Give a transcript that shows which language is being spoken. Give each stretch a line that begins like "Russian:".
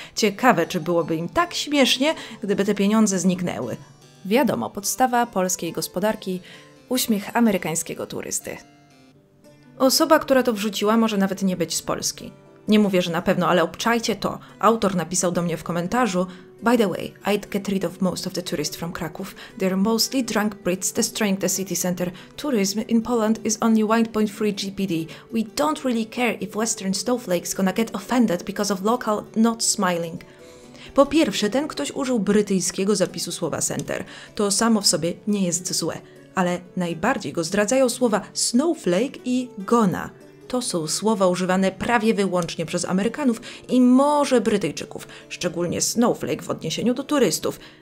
Polish: Ciekawe, czy byłoby im tak śmiesznie, gdyby te pieniądze zniknęły. Wiadomo, podstawa polskiej gospodarki – uśmiech amerykańskiego turysty. Osoba, która to wrzuciła, może nawet nie być z Polski. Nie mówię, że na pewno, ale obczajcie to.
English: Autor napisał do mnie w komentarzu: "By the way, I'd get rid of most of the tourists from Kraków. They're mostly drunk Brits destroying the city center. Tourism in Poland is only 1.3 GPD. We don't really care if Western Snowflake's gonna get offended because of local not smiling."
Polish: Po pierwsze, ten ktoś użył brytyjskiego zapisu słowa center. To samo w sobie nie jest złe. Ale najbardziej go zdradzają słowa snowflake i gonna. To są słowa używane prawie wyłącznie przez Amerykanów i może Brytyjczyków, szczególnie snowflake w odniesieniu do turystów.